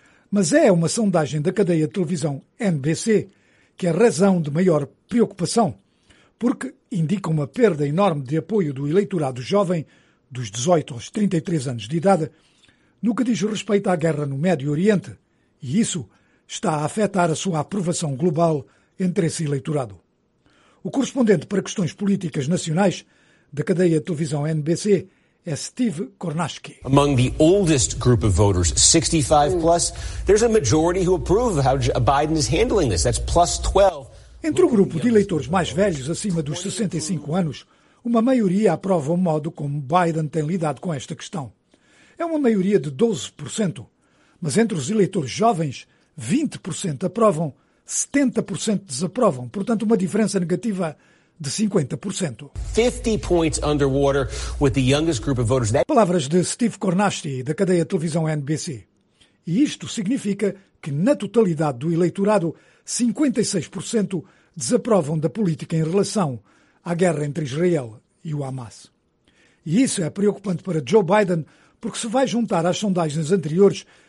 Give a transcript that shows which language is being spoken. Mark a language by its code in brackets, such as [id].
[pt] Mas é uma sondagem da cadeia de televisão NBC que é a razão de maior preocupação, porque indica uma perda enorme de apoio do eleitorado jovem dos 18 aos 33 anos de idade, no que diz respeito à guerra no Médio Oriente, e isso está a afetar a sua aprovação global entre esse eleitorado. O correspondente para questões políticas nacionais da cadeia de televisão NBC é Steve Kornacki. [en] Among the oldest group of voters, 65 plus, there's a majority who approve how Biden is handling this. That's plus 12. [pt] Entre o grupo de eleitores mais velhos, acima dos 65 anos, uma maioria aprova o modo como Biden tem lidado com esta questão. É uma maioria de 12%, mas entre os eleitores jovens, 20% aprovam, 70% desaprovam. Portanto, uma diferença negativa de 50%. [en] 50 points underwater with the youngest group of voters. [pt] Palavras de Steve Kornacki, da cadeia de televisão NBC. E isto significa que, na totalidade do eleitorado, 56% desaprovam da política em relação à guerra entre Israel e o Hamas. E isso é preocupante para Joe Biden, porque se vai juntar às sondagens anteriores